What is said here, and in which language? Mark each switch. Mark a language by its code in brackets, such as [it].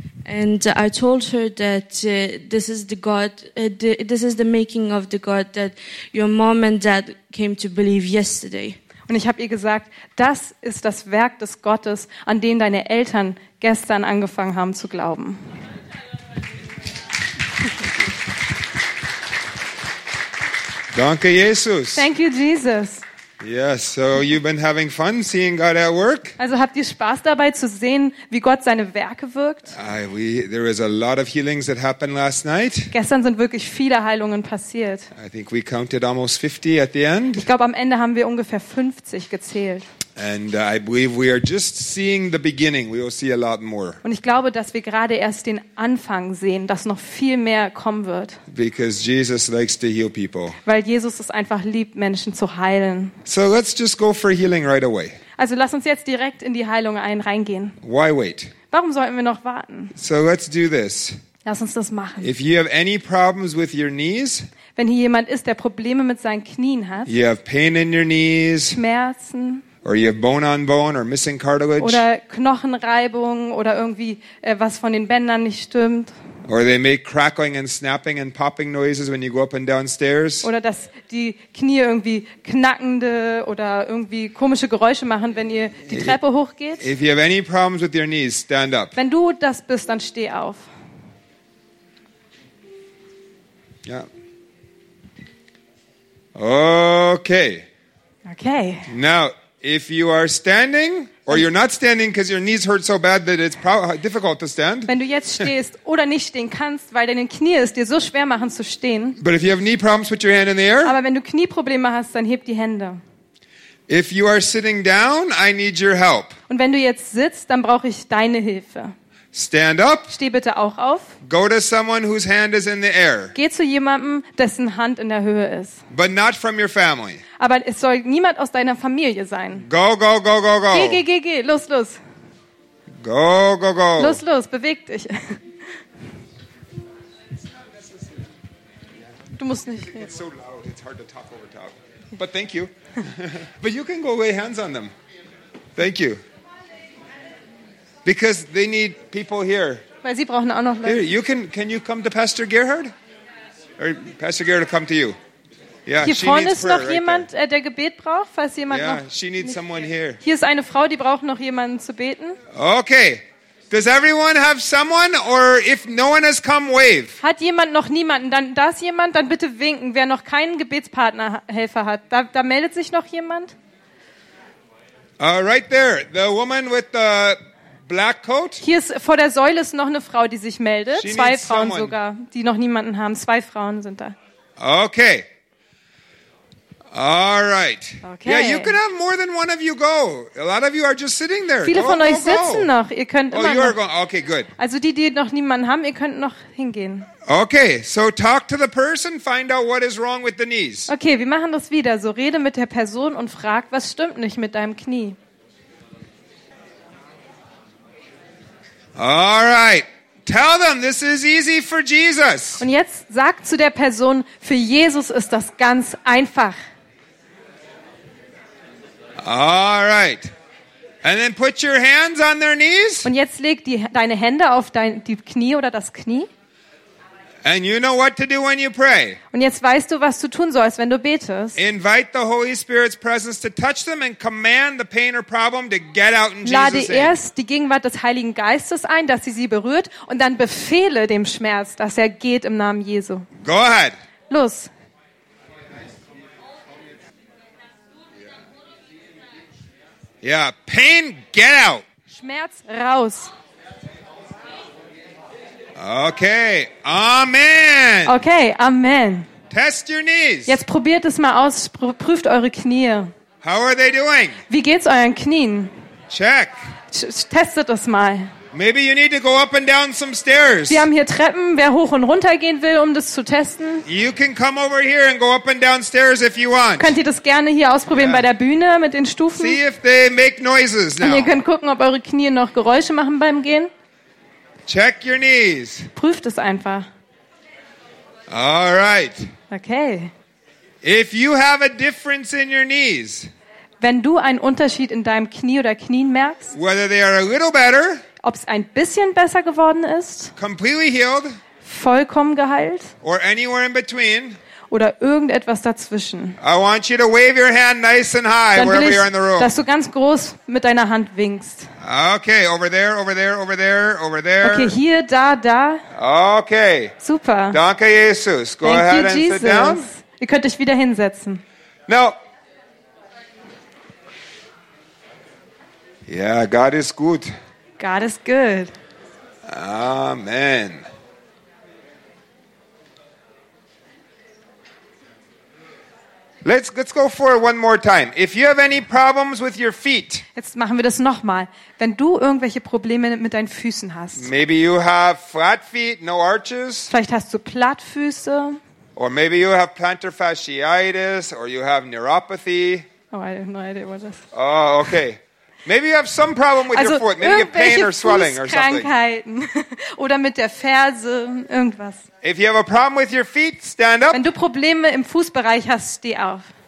[en] And I told her that this is the God, this is the making of the God that your mom and dad came to believe yesterday. [de] Und ich habe ihr gesagt, das ist das Werk des Gottes, an dem deine Eltern gestern angefangen haben zu glauben. Danke, Jesus. [en] Thank you, Jesus. Yes, so you've been having fun seeing God at work? [de] Also habt ihr Spaß dabei zu sehen, wie Gott seine Werke wirkt? [en] There is a lot of healings that happened last night. [de] Gestern sind wirklich viele Heilungen passiert. [en] I think we counted almost 50 at the end. [de] Ich glaube, am Ende haben wir ungefähr 50 gezählt. [en] And I believe we are just seeing the beginning. We will see a lot more. [de] Und ich glaube, dass wir gerade erst den Anfang sehen, dass noch viel mehr kommen wird. [en] Because Jesus likes to heal people. [de] Weil Jesus es einfach liebt, Menschen zu heilen. [en] So let's just go for healing right away. [de] Also lass uns jetzt direkt in die Heilung reingehen. [en] Why wait? [de] Warum sollten wir noch warten? [en] So let's do this. [de] Lass uns das machen. [en] If you have any problems with your knees, [de] wenn hier jemand ist, der Probleme mit seinen Knien hat, [en] you have pain in your knees, [de] Schmerzen. [en] Or you have bone on bone or missing cartilage. [de] Oder Knochenreibung oder irgendwie was von den Bändern nicht stimmt. [en] Or they make crackling and snapping and popping noises when you go up and downstairs. [de] Oder dass die Knie irgendwie knackende oder irgendwie komische Geräusche machen, wenn ihr die Treppe hochgeht. [en] If you have any problems with your knees, stand up. [de] Wenn du das bist, dann steh auf. Ja. Okay. Okay. [en] Now, if you are standing, or you're not standing because your knees hurt so bad that it's difficult to stand. [de] Wenn du jetzt stehst oder nicht stehen kannst, weil deine Knie es dir so schwer machen zu stehen. [en] But if you have knee problems, put your hand in the air. [de] Aber wenn du Knieprobleme hast, dann heb die Hände. [en] If you are sitting down, I need your help. [de] Und wenn du jetzt sitzt, dann brauche ich deine Hilfe. [en] Stand up. [de] Steh bitte auch auf. [en] Go to someone whose hand is in the air. [de] Geh zu jemandem, dessen Hand in der Höhe ist. [en] But not from your family. [de] Aber es soll niemand aus deiner Familie sein. [en] Go, go, go, go, go. [de] Geh, geh, geh, geh. Los, los. [en] Go, go, go. [de] Los, los, beweg dich. Du musst nicht. [en] It's so loud, it's hard to talk over top. But thank you. But you can go lay hands on them. Thank you. Because they need people here. [de] Weil sie brauchen auch noch Leute. [en] Here, you can you come to Pastor Gerhard? Or Pastor Gerhard will come to you. [de] Yeah, hier vorne ist noch jemand, right der Gebet braucht, falls jemand yeah, noch. [en] She needs someone here. [de] Hier ist eine Frau, die braucht noch jemanden zu beten. [en] Okay, Does everyone have someone, or if no one has come, wave. [de] Hat jemand noch niemanden? Dann das jemand? Dann bitte winken. Wer noch keinen Gebetspartner Helfer hat, da meldet sich noch jemand? [en] Right there, the woman with the black coat. [de] Hier ist vor der Säule ist noch eine Frau, die sich meldet. [en] She [de] zwei Frauen [en] someone. [de] Sogar, die noch niemanden haben. Zwei Frauen sind da. Okay. All right. Okay. [en] Yeah, you can have more than one of you go. A lot of you are just sitting there. [de] Viele [en] go, [de] von [en] go, [de] euch [en] go. [de] Sitzen noch. Ihr könnt oh, immer [en] you [de] noch. [en] Are going. Okay, good. [de] Also die, die noch niemanden haben, ihr könnt noch hingehen. [en] Okay, so talk to the person, find out what is wrong with the knees. [de] Okay, wir machen das wieder. So rede mit der Person und frag, was stimmt nicht mit deinem Knie. [en] All right. Tell them this is easy for Jesus. [de] Und jetzt sag zu der Person, für Jesus ist das ganz einfach. [en] All right. And then put your hands on their knees. [de] Und jetzt leg deine Hände auf die Knie oder das Knie. [en] And you know what to do when you pray. [de] Und jetzt weißt du, was du tun sollst, wenn du betest. [en] Invite the Holy Spirit's presence to touch them and command the pain or problem to get out in Jesus' name. [de] Lade erst die Gegenwart des Heiligen Geistes ein, dass sie berührt, und dann befehle dem Schmerz, dass geht im Namen Jesu. [en] Go ahead. [de] Los. [en] Yeah, pain, get out. [de] Schmerz, raus. Okay, amen. Okay, amen. [en] Test your knees. [de] Jetzt probiert es mal aus, prüft eure Knie. [en] How are they doing? [de] Wie geht's euren Knien? [en] Check. [de] Testet es mal. [en] Maybe you need to go up and down some stairs. [de] Wir haben hier Treppen, wer hoch und runter gehen will, um das zu testen. [en] You can come over here and go up and down stairs if you want. [de] Könnt ihr das gerne hier ausprobieren, yeah. Bei der Bühne mit den Stufen? [en] See if they make noises now. [de] Und ihr könnt gucken, ob eure Knie noch Geräusche machen beim Gehen. [en] Check your knees. [de] Prüft es einfach. [en] All right. Okay. If you have a difference in your knees. [de] Wenn du einen Unterschied in deinem Knie oder Knien merkst. [en] Whether they are a little better. [de] Ob es ein bisschen besser geworden ist, [en] completely healed, [de] vollkommen geheilt, [en] or anywhere in between, [de] oder irgendetwas dazwischen, [en] I want you to wave your hand nice and high wherever you are in the room. [de] Dass du ganz groß mit deiner Hand winkst. [en] Okay, over there, over there, over there, over there. [de] Okay, hier, da, da. Okay. Super. Danke, Jesus. [en] Go Thank ahead you, Jesus. And sit down. [de] Ihr könnt euch wieder hinsetzen. [en] Now, yeah, God is good. God is good. Amen. Let's go for it one more time. If you have any problems with your feet. [de] Jetzt machen wir das nochmal. Wenn du irgendwelche Probleme mit deinen Füßen hast. [en] Maybe you have flat feet, no arches. [de] Vielleicht hast du Plattfüße. [en] Or maybe you have plantar fasciitis, or you have neuropathy. Oh, I have no idea what that is. Oh, okay. Maybe you have some problem with [de] also [en] your foot, maybe you have pain or swelling or something. [de] Oder mit der Ferse, irgendwas. [en] If you have a problem with your feet, stand up. [de] Wenn du Probleme im Fußbereich hast, steh auf.